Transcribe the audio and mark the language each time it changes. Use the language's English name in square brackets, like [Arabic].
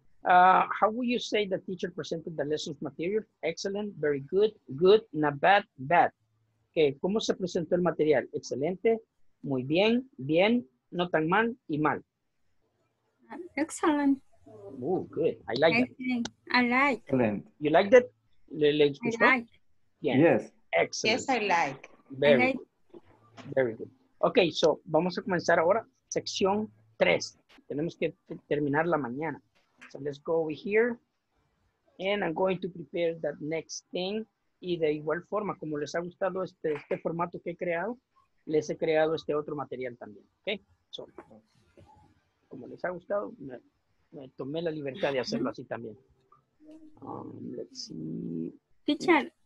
[English] How would you say the teacher presented the lesson's material? Excellent, very good, good, not bad, bad. Okay, [Spanish] ¿cómo se presentó el material? Excelente, muy bien, bien, no tan mal y mal. [English] Excellent. Oh, good. I like that. I like. Excellent. You like that? I like. Yes. Yes. Excellent. Yes, I like. Very, I like. Very good. Okay, so [Spanish] vamos a comenzar ahora sección 3. Tenemos que terminar la mañana. [English] So let's go over here. And I'm going to prepare that next thing. [Spanish] Y de igual forma, como les ha gustado este formato que he creado, les he creado este otro material también. [English] Okay? [Spanish] So, como les ha gustado, me tomé la libertad de hacerlo así también. [English] Let's see. Teacher.